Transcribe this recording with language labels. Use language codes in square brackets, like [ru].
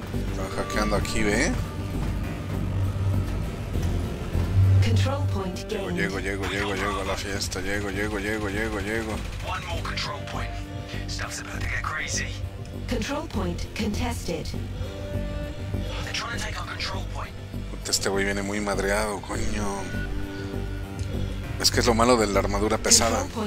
[es] Están hackeando aquí, ¿ve? [en] Control point [es] llego, llego, llego, llego, llego a la fiesta. Llego, llego, llego, llego, llego. [en] One more control point. Stuff's about to get crazy. Control point contested. They're trying to take our control point. [es] Este güey viene muy madreado, coño. Es que es lo malo de la armadura pesada.